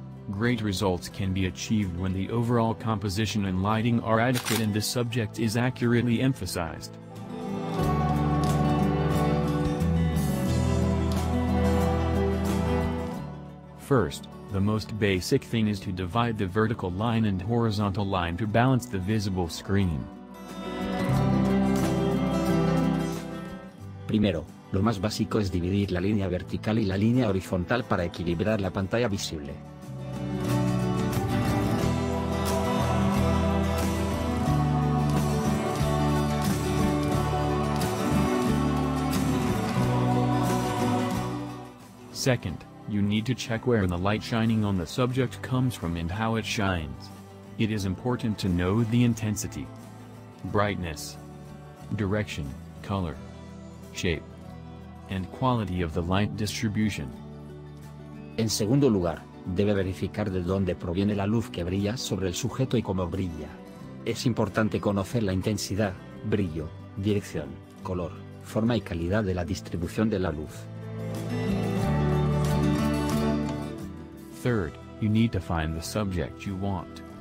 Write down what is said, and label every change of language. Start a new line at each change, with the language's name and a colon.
English: Great results can be achieved when the overall composition and lighting are adequate and the subject is accurately emphasized. First, the most basic thing is to divide the vertical line and horizontal line to balance the visible screen.
Spanish: Primero, lo más básico es dividir la línea vertical y la línea horizontal para equilibrar la pantalla visible.
English: Second, you need to check where the light shining on the subject comes from and how it shines. It is important to know the intensity, brightness, direction, color, shape, and quality of the light distribution.
Spanish: En segundo lugar, debe verificar de dónde proviene la luz que brilla sobre el sujeto y cómo brilla. Es importante conocer la intensidad, brillo, dirección, color, forma y calidad de la distribución de la luz.
English: Third, you need to find the subject you want.